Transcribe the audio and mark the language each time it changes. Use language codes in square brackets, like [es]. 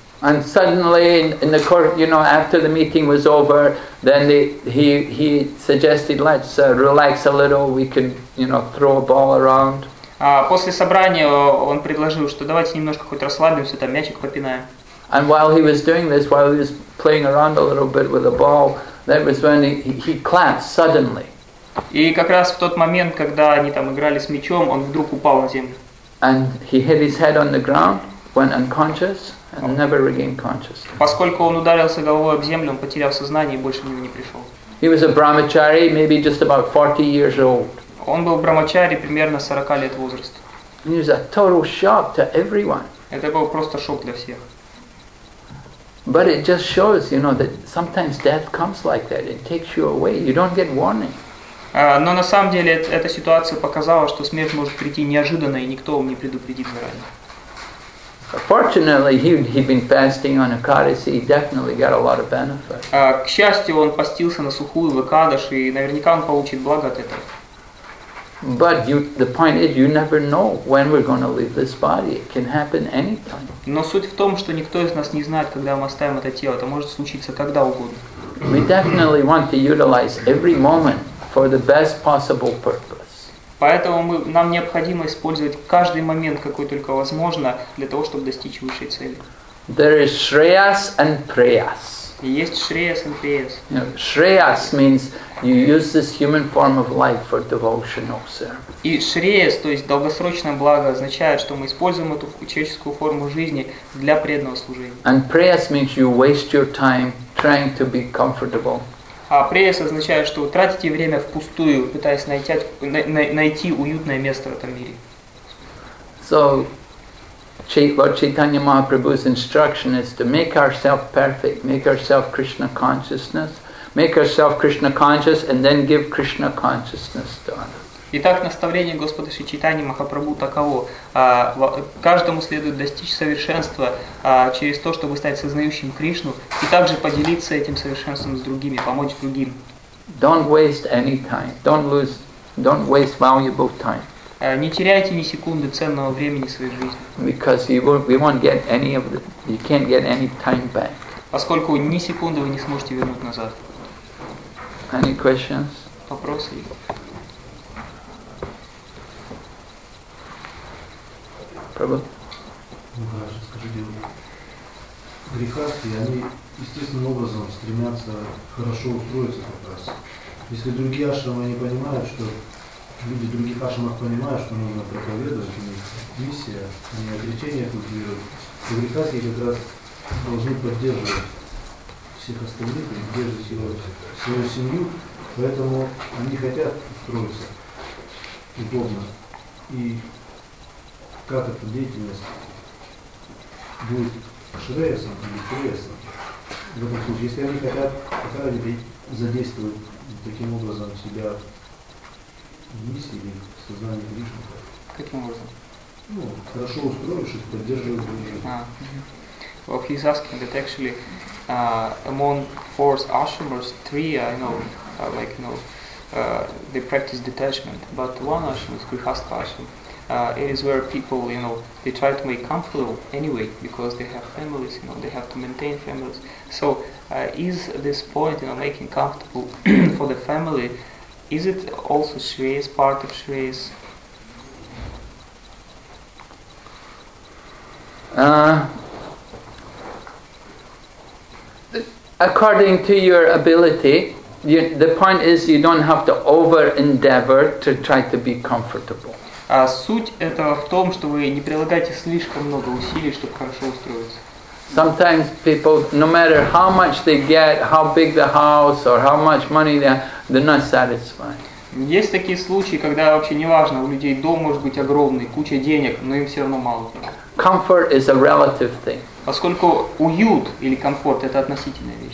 [en] And suddenly, in the court, you know, after the meeting was over, then he suggested, let's relax a little. We could, you know, throw a ball around. [ru] После собрания он предложил, что давайте немножко хоть расслабимся, там мячик попинаем. [en] And while he was doing this, while he was playing around a little bit with the ball, that was when he collapsed suddenly. [ru] И как раз в тот момент, когда они там играли с мячом, он вдруг упал на землю. [en] And he hit his head on the ground, went unconscious. And never regained consciousness. [ru] Поскольку он ударился головой об землю, он потерял сознание и больше в него не пришел. [en] He was a brahmachari, maybe just about 40 years old. [ru] Он был брахмачари примерно 40 лет возраста. [en] He was a total shock to everyone. [ru] Это был просто шок для всех. [en] But it just shows, you know, that sometimes death comes like that. It takes you away. You don't get warning. [ru] Но на самом деле эта ситуация показала, что смерть может прийти неожиданно и никто вам не предупредит заранее. [en] Fortunately, he'd been fasting on Ekadasi. He definitely got a lot of benefit. [ru] К счастью, он постился на сухую в Экадаш, и наверняка он получит благо от этого. [en] But the point is, you never know when we're going to leave this body. It can happen anytime. [ru] Но суть в том, что никто из нас не знает, когда мы оставим это тело. Это может случиться когда угодно. [en] We definitely want to utilize every moment for the best possible purpose. [ru] Поэтому нам необходимо использовать каждый момент, какой только возможно, для того, чтобы достичь высшей цели. [en] There is shreyas and preyas. [ru] Есть shreyas and preyas. [en] You know, shreyas means you use this human form of life for devotional service. [ru] И shreyas, то есть долгосрочное благо, означает, что мы используем эту человеческую форму жизни для преданного служения. [en] And preyas means you waste your time trying to be comfortable. [ru] А преяс означает, что вы тратите время впустую, пытаясь найти уютное место в этом мире. [en] So, Lord Chaitanya Mahaprabhu's instruction is to make ourselves perfect, make ourselves Krishna consciousness, make ourselves Krishna conscious, and then give Krishna consciousness to others. [ru] Итак, наставление Господа Шри Чайтаньи Махапрабху таково. Каждому следует достичь совершенства через то, чтобы стать сознающим Кришну, и также поделиться этим совершенством с другими, помочь другим. [en] Don't waste any time. Don't waste valuable time. [ru] Не теряйте ни секунды ценного времени своей жизни. [en] Because you won't get any of the, you can't get any time back. [ru] Поскольку ни секунды вы не сможете вернуть назад. [en] Any questions? [ru] Вопросы? Хорошо, скажите, грехасты, они естественным образом стремятся хорошо устроиться как раз. Если другие ашрамы не понимают, что люди в других ашрамах понимают, что нужно проповедовать, у них миссия, они отречение культивируют, то грехасты как раз должны поддерживать всех остальных, поддерживать его, свою семью, поэтому они хотят устроиться удобно. И как эта деятельность будет шреясом или преясом? В этом случае, если они хотят, по крайней мере, задействовать таким образом себя в миссии или в сознании Кришны. Каким образом? Ну, хорошо устроившись, поддерживать Кришну. [en] Well, he's asking that actually among force ashramas, three, they practice detachment, but one ashram is grihastha ashram. It is where people, you know, they try to make comfortable anyway because they have families, you know, they have to maintain families. So, is this point, you know, making comfortable for the family, is it also Shreyas, part of Shreyas? According to your ability, the point is you don't have to over-endeavor to try to be comfortable. [ru] Суть этого в том, что вы не прилагаете слишком много усилий, чтобы хорошо устроиться. [en] Sometimes people, no matter how much they get, how big the house or how much money they're not satisfied. [ru] Есть такие случаи, когда вообще неважно, у людей дом может быть огромный, куча денег, но им все равно мало. [en] Comfort is a relative thing. [ru] Поскольку уют или комфорт – это относительная вещь.